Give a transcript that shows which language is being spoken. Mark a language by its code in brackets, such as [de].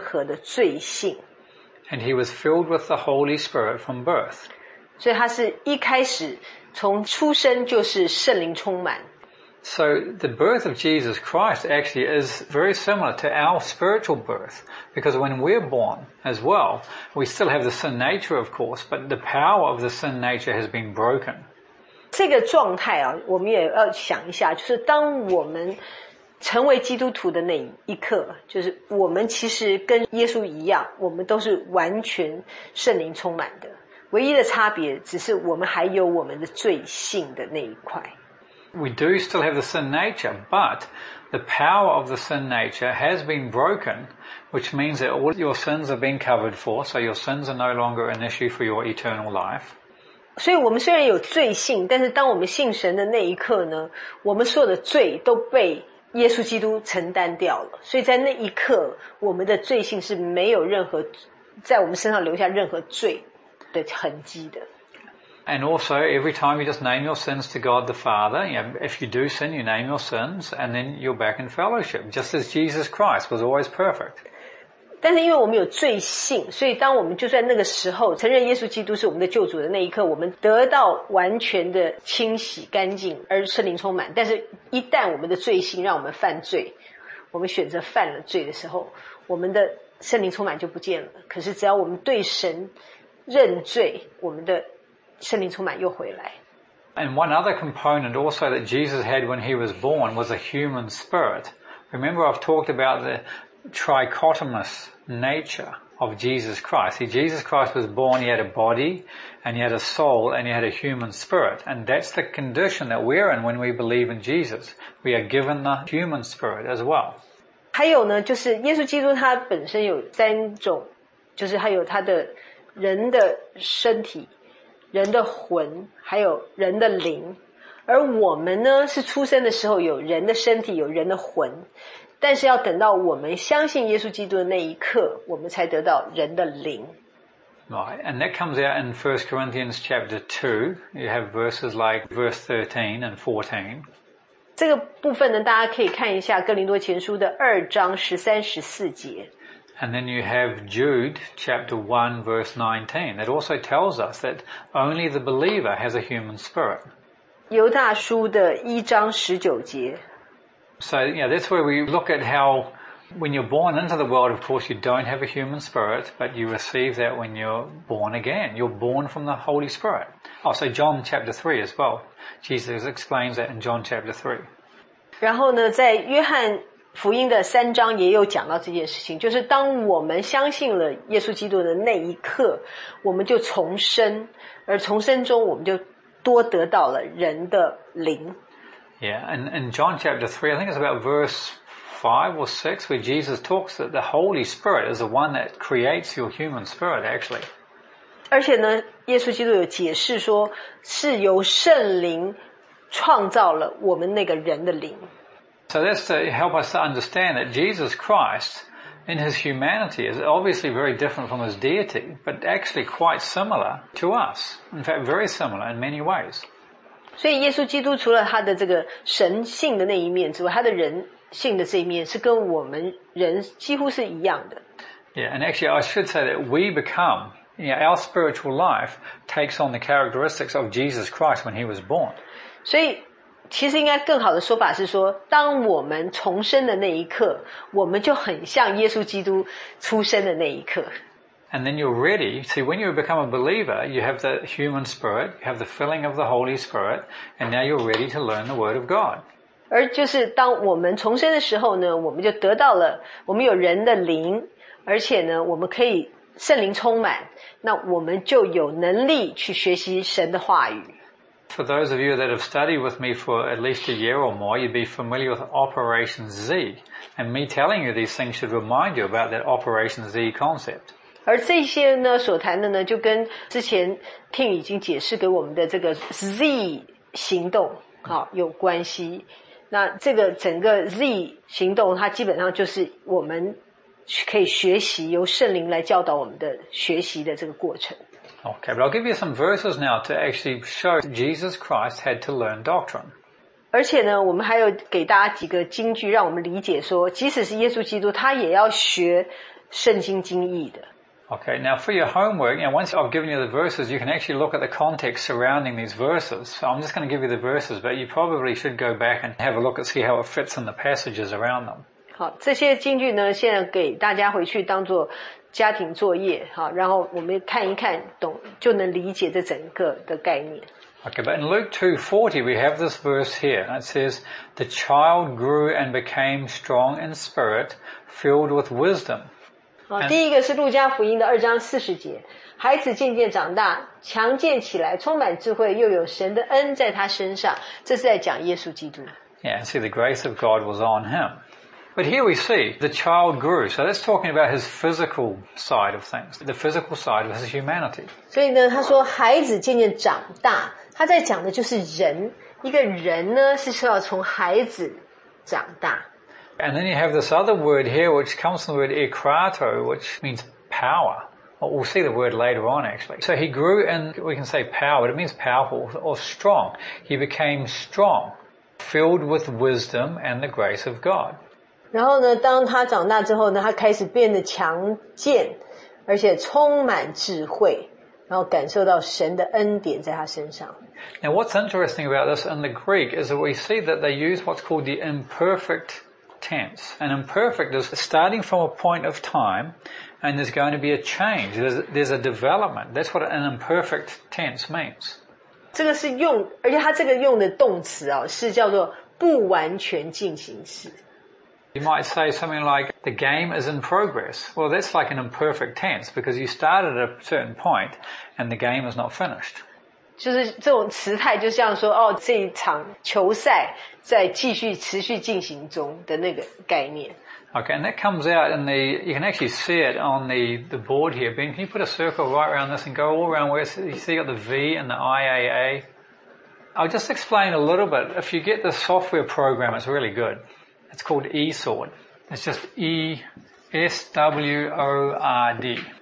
[zh] 但是呢，有一个特别的是呢，耶稣基督他因为没有父亲的基因，所以他其实是没有任何的罪性。 [en] And he was filled with the Holy Spirit from birth. [zh] 所以他是一开始从出生就是圣灵充满。 [en] So the birth of Jesus Christ actually is very similar to our spiritual birth, because when we're born as well, we still have the sin nature, of course, but the power of the sin nature has been broken. [zh] 这个状态啊，我们也要想一下，就是当我们成为基督徒的那一刻，就是我们其实跟耶稣一样，我们都是完全圣灵充满的，唯一的差别只是我们还有我们的罪性的那一块。 [en] We do still have the sin nature, but the power of the sin nature has been broken, which means that all your sins have been covered for, so your sins are no longer an issue for your eternal life. [zh] 所以我们虽然有罪性，但是当我们信神的那一刻呢，我们所有的罪都被耶稣基督承担掉了，所以在那一刻我们的罪性是没有任何在我们身上留下任何罪的痕迹的。 [en] And also, every time you just name your sins to God the Father, you know, if you do sin, you name your sins, and then you're back in fellowship, just as Jesus Christ was always perfect. [zh] 但是因为我们有罪性，所以当我们就在那个时候承认耶稣基督是我们的救主的那一刻，我们得到完全的清洗干净而圣灵充满。但是一旦我们的罪性让我们犯罪，我们选择犯了罪的时候，我们的圣灵充满就不见了。可是只要我们对神认罪，我们的圣灵充满又回来。 [en] And one other component also that Jesus had when he was born was a human spirit. Remember, I've talked about the trichotomous nature of Jesus Christ. See, Jesus Christ was born, he had a body, and he had a soul, and he had a human spirit. And that's the condition that we're in when we believe in Jesus. We are given the human spirit as well. [zh] 还有呢，就是耶稣基督他本身有三种，就是还有他的人的身体，人的魂，还有人的灵。而我们呢，是出生的时候有人的身体，有人的魂，但是要等到我们相信耶稣基督的那一刻，我们才得到人的灵。 [en] Right, and that comes out in 1 Corinthians chapter 2. You have verses like verse 13 and 14. [zh] 这个部分呢，大家可以看一下哥林多前书的二章十三十四节。 [en] And then you have Jude chapter 1 verse 19 that also tells us that only the believer has a human spirit. [zh] 犹大书的一章十九节。 [en] So yeah, that's where we look at how when you're born into the world, of course you don't have a human spirit, but you receive that when you're born again. You're born from the Holy Spirit. Oh, so John chapter 3 as well. Jesus explains that in John chapter 3. [zh] 然后呢，在约翰福音的三章也有讲到这件事情，就是当我们相信了耶稣基督的那一刻，我们就重生，而重生中我们就多得到了人的灵。 [en] Yeah, and in John chapter 3, I think it's about verse 5 or 6, where Jesus talks that the Holy Spirit is the one that creates your human spirit, actually. [zh] 而且呢，耶稣基督有解释说，是由圣灵创造了我们那个人的灵。 [en] So that's to help us to understand that Jesus Christ, in his humanity, is obviously very different from his deity, but actually quite similar to us. In fact, very similar in many ways. [zh] 所以耶稣基督除了他的这个神性的那一面之外，他的人性的这一面是跟我们人几乎是一样的。 [en] Yeah, and actually I should say that we become, you know, our spiritual life takes on the characteristics of Jesus Christ when he was born. [zh] 所以其实应该更好的说法是说，当我们重生的那一刻，我们就很像耶稣基督出生的那一刻。 [en] And then you're ready. See, when you become a believer, you have the human spirit, you have the filling of the Holy Spirit, and now you're ready to learn the Word of God. [zh] 而就是当我们重生的时候呢，我们就得到了，我们有人的灵，而且呢，我们可以圣灵充满，那我们就有能力去学习神的话语。 [en] For those of you that have studied with me for at least a year or more, you'd be familiar with Operation Z. And me telling you these things should remind you about that Operation Z concept. [zh] 而这些呢，所谈的呢，就跟之前 Tim 已经解释给我们的这个 Z 行动，好，有关系。那这个整个 Z 行动，它基本上就是我们可以学习，由圣灵来教导我们的学习的这个过程。 [en] Okay, but I'll give you some verses now to actually show Jesus Christ had to learn doctrine. [zh] 而且呢，我们还有给大家几个经句，让我们理解说，即使是耶稣基督，他也要学圣经经义的。 [en] Okay, now for your homework, you know, once I've given you the verses, you can actually look at the context surrounding these verses. So I'm just going to give you the verses, but you probably should go back and have a look and see how it fits in the passages around them. [zh] 好，这些经句呢，现在给大家回去当做家庭作业，好，然后我们看一看，懂就能理解这整个的概念。 [en] Okay, but in Luke 2:40, we have this verse here. It says, "The child grew and became strong in spirit, filled with wisdom." [zh] 第一个是路加福音的二章四十节，孩子渐渐长大，强健起来，充满智慧，又有神的恩在他身上。这是在讲耶稣基督。 [en] Yeah, see, the grace of God was on him. But here we see the child grew. So that's talking about his physical side of things, the physical side of his humanity. [zh] 所以呢，他说孩子渐渐长大，他在讲的就是人。一个人呢，是需要从孩子长大。 [en] And then you have this other word here, which comes from the word ekrato, which means power. We'll see the word later on, actually. So he grew in, we can say power, but it means powerful or strong. He became strong, filled with wisdom and the grace of God. [zh] 然后呢，当他长大之后呢，他开始变得强健，而且充满智慧。然后感受到神的恩典在他身上。 [en] Now, what's interesting about this in the Greek is that we see that they use what's called the imperfect tense. And imperfect is starting from a point of time, and there's going to be a change. There's a development. That's what an imperfect tense means. [zh] 这个是用，而且他这个用的动词啊，是叫做不完全进行式。 [en] You might say something like, the game is in progress. Well, that's like an imperfect tense, because you started at a certain point, and the game is not finished. [zh] 就是这种词态就像说、哦、这一场球赛在继续持续进行中的那个概念。 [en] Okay, and that comes out in the, you can actually see it on the board here. Ben, can you put a circle right around this and go all around where, you see got the V and the IAA? I'll just explain a little bit. If you get the software program, it's really good. It's called eSword. It's just E-S-W-O-R-D.